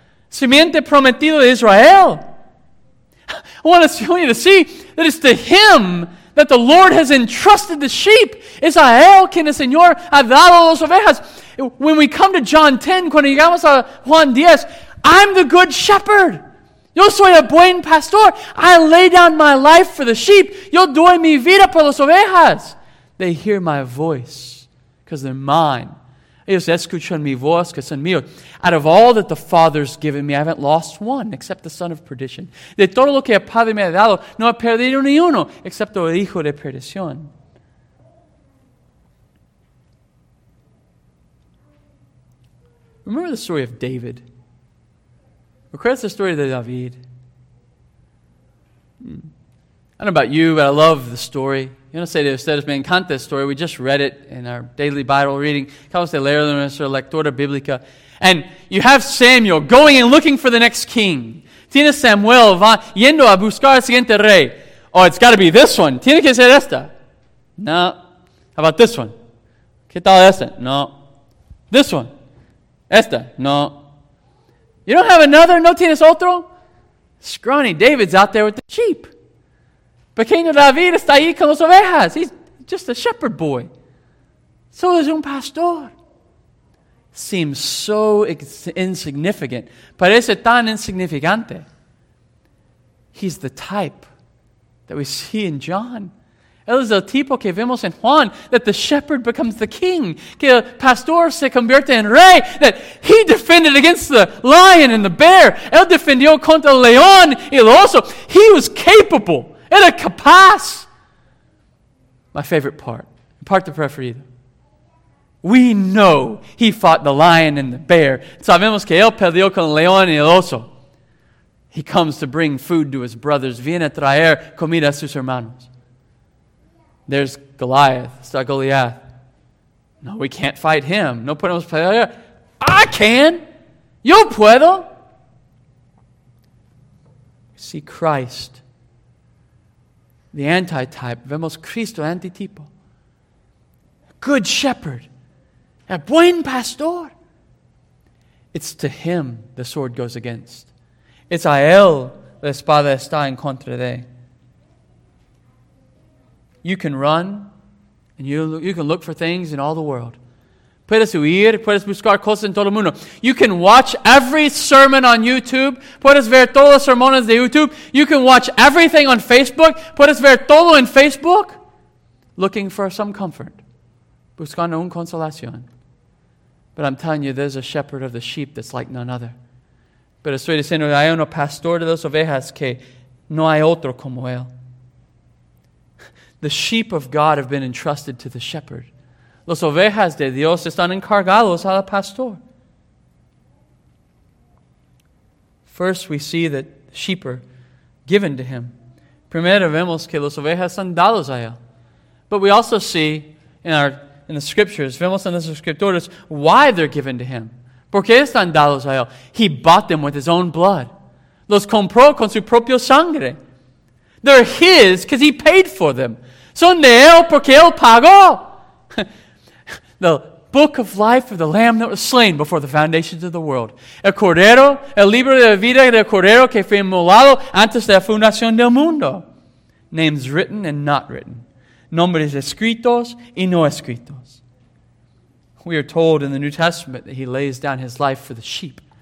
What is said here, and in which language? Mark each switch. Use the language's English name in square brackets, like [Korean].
[Spanish] Simiente prometido de Israel. [English] I want us to see that it's to him that the Lord has entrusted the sheep. [Spanish] Es a él quien el Señor ha dado las ovejas. [English] When we come to John 10, [Spanish] cuando llegamos a Juan 10, [English] I'm the good shepherd. [Spanish] Yo soy el buen pastor. [English] I lay down my life for the sheep. [Spanish] Yo doy mi vida por las ovejas. [English] They hear my voice because they're mine. [Spanish] Ellos escuchan mi voz porque son míos. [English] Out of all that the Father's given me, I haven't lost one except the son of perdition. [Spanish] De todo lo que el Padre me ha dado, no he perdido ni uno excepto el hijo de perdición. [English] Remember the story of David. [Spanish] Recuerda [English] the story of David. I don't know about you, but I love the story. [Spanish] Yo no sé de ustedes, me encanta la historia. [English] We just read it in our daily Bible reading. [Spanish] Acabamos de leerlo en nuestra lectura bíblica. [English] And you have Samuel going and looking for the next king. [Spanish] Tiene Samuel yendo a buscar al siguiente rey. [English] Oh, it's got to be this one. [Spanish] Tiene que ser esta. [English] No. How about this one? [Spanish] ¿Qué tal esta? [English] No. This one. [Spanish] Esta. [English] No. You don't have another? [Spanish] No tienes otro? [English] Scrawny David's out there with the sheep. [Spanish] Pequeño David está ahí con las ovejas. [English] He's just a shepherd boy. [Spanish] Solo es un pastor. [English] Seems so insignificant. [Spanish] Parece tan insignificante. [English] He's the type that we see in John. [Spanish] Él es el tipo que vemos en Juan, [English] that the shepherd becomes the king, [Spanish] que el pastor se convierte en rey, [English] that he defended against the lion and the bear. [Spanish] Él defendió contra el león y el oso. [English] He was capable. [Spanish] Era capaz. [English] My favorite part. [Spanish] Part de preferido. [English] We know he fought the lion and the bear. [Spanish] Sabemos que él peleó con el león y el oso. [English] He comes to bring food to his brothers. [Spanish] Viene a traer comida a sus hermanos. [English] There's Goliath. [Spanish] Está Goliath. [English] No, we can't fight him. [Spanish] No podemos pelear. [English] I can. [Spanish] Yo puedo. [English] See Christ. The anti-type. [Spanish] Vemos Cristo antitipo. [English] Good shepherd. [Spanish] A buen pastor. [English] It's to him the sword goes against. [Spanish] It's a él la espada está en contra de. [English] You can run, and you can look for things in all the world. [Spanish] Puedes huir, puedes buscar cosas en todo el mundo. [English] You can watch every sermon on YouTube. [Spanish] Puedes ver todos los sermones de YouTube. [English] You can watch everything on Facebook. [Spanish] Puedes ver todo en Facebook. [English] Looking for some comfort. [Spanish] Buscando un consolación. [English] But I'm telling you, there's a shepherd of the sheep that's like none other. [Spanish] Pero estoy diciendo, hay un pastor de las ovejas que no hay otro como él. [English] The sheep of God have been entrusted to the shepherd. [Spanish] Los ovejas de Dios están encargados al pastor. [English] First, we see that the sheep are given to him. [Spanish] Primero vemos que los ovejas son dados a él. [English] But we also see in the scriptures, [Spanish] vemos en las escrituras, [English] why they're given to him. [Spanish] ¿Por qué están dados a él? [English] He bought them with his own blood. [Spanish] Los compró con su propio sangre. [English] They're his because he paid for them. [Spanish] Son de él porque él pagó. [English] The book of life of the Lamb that was slain before the foundations of the world. [Spanish] El Cordero, el libro de vida del Cordero que fue inmolado antes de la fundación del mundo. [English] Names written and not written. [Spanish] Nombres escritos y no escritos. [English] We are told in the New Testament that he lays down his life for the sheep.